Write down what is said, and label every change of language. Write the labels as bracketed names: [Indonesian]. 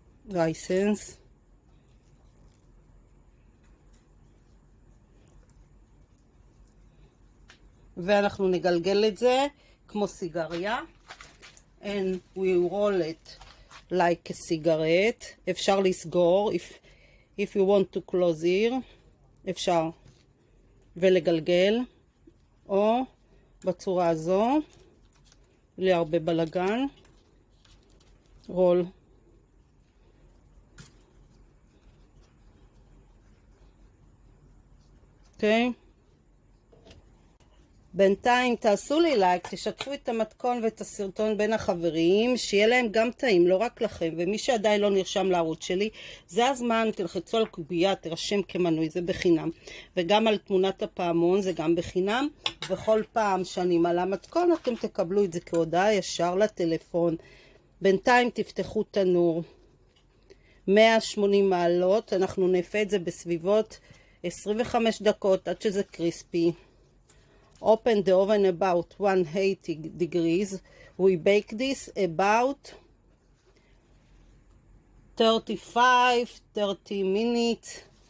[English] Raisins. [Hebrew] ואנחנו נגלגל את זה כמו סיגריה. [English] And we roll it like a cigarette. [Hebrew] אפשר לסגור, [English] if you want to close here, [Hebrew] אפשר ולגלגל. או בצורה הזו, בלי הרבה בלגן. Roll. Okay. בינתיים תעשו לי לייק, תשתפו את המתכון ואת הסרטון בין החברים, שיהיה להם גם טעים, לא רק לכם. ומי שעדיין לא נרשם לערוץ שלי, זה הזמן, תלחצו על קוביה, תרשם כמנוי, זה בחינם. וגם על תמונת הפעמון, זה גם בחינם. וכל פעם שאני מעלה מתכון, אתם תקבלו את זה כהודעה ישר לטלפון. בינתיים תפתחו תנור. 180 מעלות, אנחנו נפה את זה בסביבות 25 דקות, עד שזה קריספי. [English] Open the oven about 180 degrees. We bake this about 35-30 minutes.